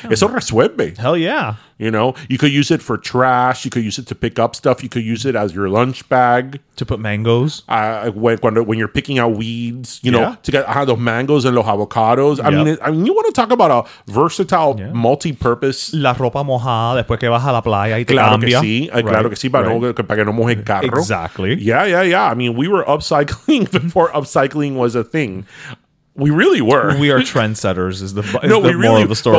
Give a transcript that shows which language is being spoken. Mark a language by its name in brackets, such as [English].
[Spanish] Eso resuelve. [English] Hell yeah. You know, you could use it for trash. You could use it to pick up stuff. You could use it as your lunch bag. To put mangoes. When you're picking out weeds, you know, to get those mangoes and [Spanish] los avocados. [English] I mean, you want to talk about a versatile, multi-purpose. [Spanish] La ropa mojada después que vas a la playa y te cambia. Claro que sí, para que no moje el carro. [English] Exactly. Yeah. I mean, we were upcycling before upcycling was a thing. We really were. We are trendsetters is the moral of the story.